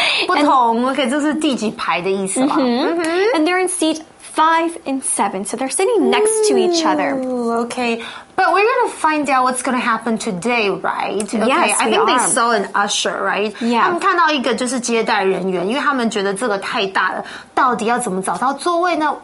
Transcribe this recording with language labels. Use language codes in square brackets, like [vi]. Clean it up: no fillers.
[zh] 不同 ,OK, 这是第几排的意思吧。 [en] And they're in seat 5 and 7, so they're sitting next to each other. Okay, but we're gonna find out what's gonna happen today, right? Okay, yes, I think they saw an usher, right? Yeah. [zh] 他们看到一个就是接待人员，因为他们觉得这个太大了，到底要怎么找到座位呢？